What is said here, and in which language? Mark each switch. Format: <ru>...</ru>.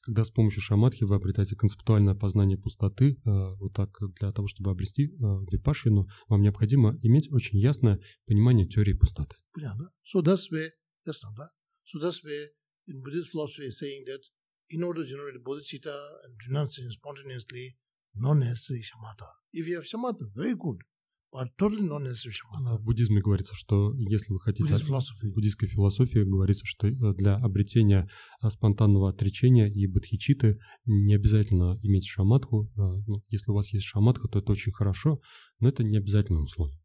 <ru>Когда с помощью шамадхи вы обретаете концептуальное познание пустоты, вот так для того, чтобы обрести випашвину, вам необходимо иметь очень ясное понимание теории пустоты. Понятно?</ru> <en>So that's where, that's not that. So that's where in Buddhist philosophy is saying that in order to generate bodhicitta and renunciation spontaneously, not necessary shamatha. If you have shamatha, very good. Totally non-necessary shamatha.</en> <ru>В буддизме говорится, что если вы хотите... Буддийской философии говорится, что для обретения спонтанного отречения и бодхичитты не обязательно иметь шамадху. Ну, если у вас есть шамадха, то это очень хорошо, но это не обязательное условие.</ru>